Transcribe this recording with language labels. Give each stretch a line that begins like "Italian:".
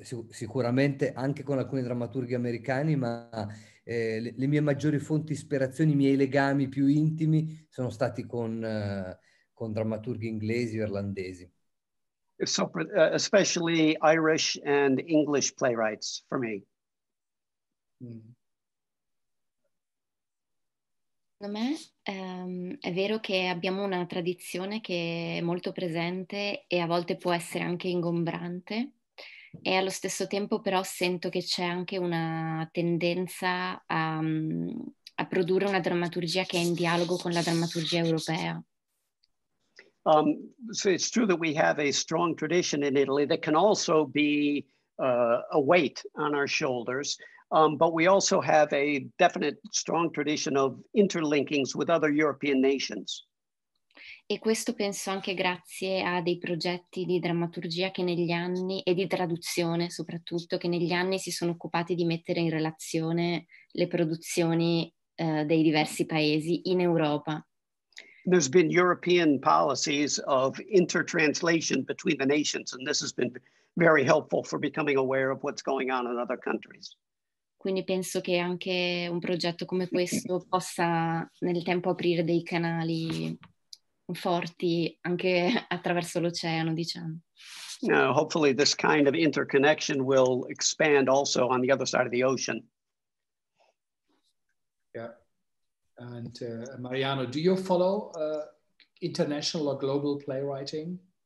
Italian: Sicuramente anche con alcuni drammaturghi americani, ma le mie maggiori fonti ispirazioni, i miei legami più intimi sono stati con drammaturghi inglesi o irlandesi.
English: So, especially Irish and English playwrights for me.
Italian: Secondo me è vero che abbiamo una tradizione che è molto presente e a volte può essere anche ingombrante. E allo stesso tempo però sento che c'è anche una tendenza a produrre una drammaturgia che è in dialogo con la drammaturgia europea.
English: So it's true that we have a strong tradition in Italy that can also be a weight on our shoulders, but we also have a definite strong tradition of interlinkings with other European nations.
Italian: E questo penso anche grazie a dei progetti di drammaturgia che negli anni, e di traduzione soprattutto, che negli anni si sono occupati di mettere in relazione le produzioni dei diversi paesi in Europa.
English: There's been European policies of intertranslation between the nations, and this has been very helpful for becoming aware of what's going on in other countries.
Italian: Quindi penso che anche un progetto come questo possa nel tempo aprire dei canali forti anche attraverso l'oceano, diciamo.
English: Now, hopefully this kind of interconnection will expand also on the other side of the ocean. Yeah. And Mariano, do you follow international or global playwriting?